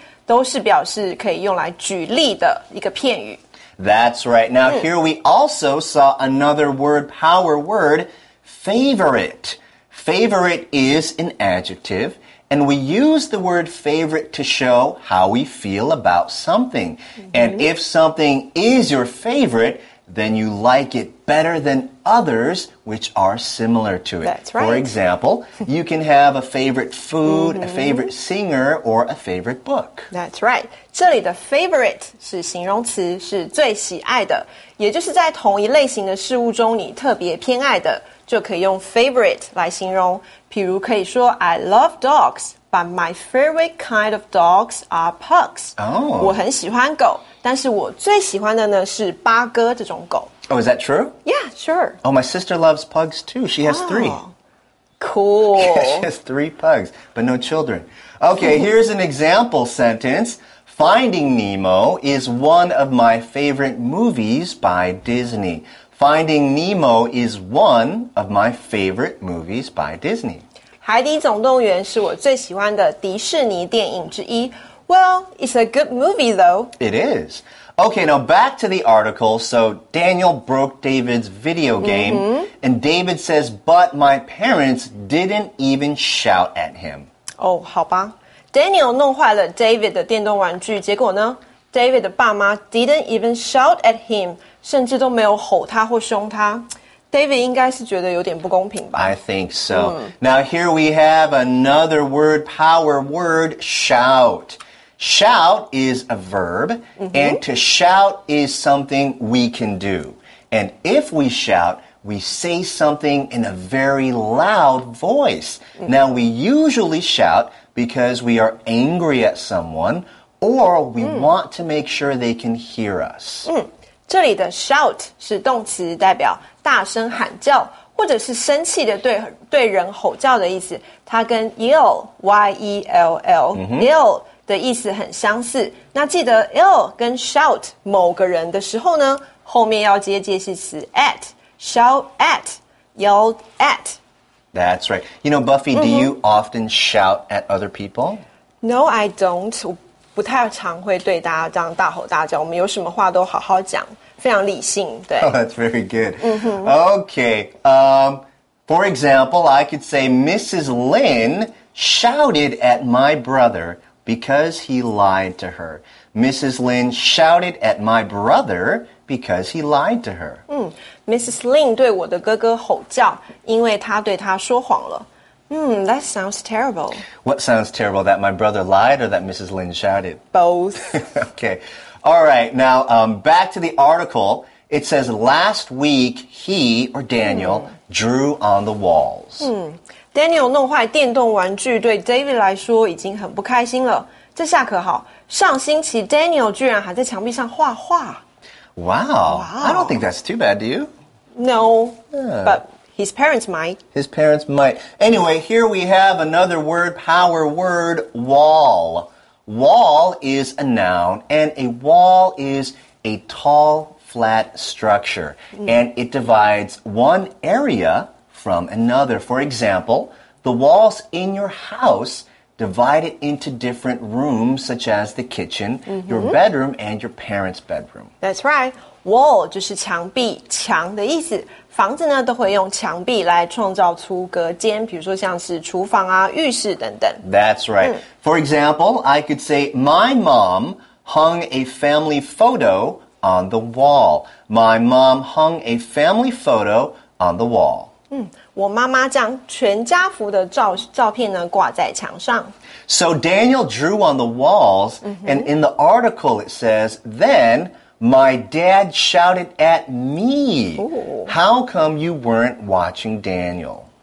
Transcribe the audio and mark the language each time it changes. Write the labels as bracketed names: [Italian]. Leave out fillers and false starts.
[Chinese] 都是表示可以用来举例的一个片语。 [English] That's right. Now, here we also saw another word, power word, favorite. Favorite is an adjective, and we use the word favorite to show how we feel about something. And if something is your favorite, then you like it better than others, which are similar to it. That's right. For example, you can have a favorite food, a favorite singer, or a favorite book. That's right. [Chinese] 这里的 favorite 是形容词，是最喜爱的，也就是在同一类型的事物中你特别偏爱的，就可以用 favorite 来形容。譬如可以说 [English] I love dogs, but my favorite kind of dogs are pugs. Oh. [Chinese] 我很喜欢狗，但是我最喜欢的呢是八哥这种狗。 [English] Oh, is that true? Yeah, sure. Oh, my sister loves pugs too. She has three. Cool. She has three pugs, but no children. Okay, here's an example sentence. Finding Nemo is one of my favorite movies by Disney. Finding Nemo is one of my favorite movies by Disney. [Chinese] 海底总动员是我最喜欢的迪士尼电影之一。 [English] Well, it's a good movie though. It is. Okay, now back to the article. So Daniel broke David's video game, and David says, but my parents didn't even shout at him. [Chinese] Oh, 好吧。 Daniel 弄坏了 David 的电动玩具，结果呢 ?David 的爸妈 [English] didn't even shout at him, [Chinese] 甚至都没有吼他或凶他。 David 应该是觉得有点不公平吧。 [English] I think so. Now here we have another word, power word, shout. Shout is a verb, and to shout is something we can do. And if we shout, we say something in a very loud voice. Now, we usually shout because we are angry at someone, or we want to make sure they can hear us. [Chinese] 这里的 shout 是动词代表大声喊叫。或者是生气的对人吼叫的意思，它跟 yell y-e-l-l yell 的意思很相似。那记得 yell 跟 shout 某个人的时候呢，后面要接介系词 at, shout at, yell at. [English] That's right. You know, Buffy, do you often shout at other people? No, I don't. [Chinese] 我不太常会对大家这样大吼大叫。我们有什么话都好好讲。非常理性，对。 [English] Oh, that's very good. Okay. For example, I could say Mrs. Lin shouted at my brother because he lied to her. Mrs. Lin shouted at my brother because he lied to her. Mrs. [Chinese] Lin 对我的哥哥吼叫，因为他对他说谎了。 [English] That sounds terrible. What sounds terrible? That my brother lied or that Mrs. Lin shouted? Both. Okay. All right. Now, back to the article. It says, last week, he, or Daniel, drew on the walls. [Chinese] Daniel 弄坏电动玩具对 David 来说已经很不开心了。这下可好，上星期 Daniel 居然还在墙壁上画画。 [English] Wow. I don't think that's too bad, do you? No. Yeah. But... His parents might. His parents might. Anyway, here we have another word, power word, wall. Wall is a noun, and a wall is a tall, flat structure. And it divides one area from another. For example, the walls in your house divide it into different rooms, such as the kitchen, your bedroom, and your parents' bedroom. That's right. [Chinese] Wall 就是墙壁，墙的意思。房子呢都会用墙壁来创造出隔间，比如说像是厨房啊、浴室等等。 [English] That's right. For example, I could say my mom hung a family photo on the wall. My mom hung a family photo on the wall. [Chinese] 我妈妈将全家福的照片呢挂在墙上。 [English] So Daniel drew on the walls, and in the article it says, then... My dad shouted at me. Ooh. How come you weren't watching Daniel?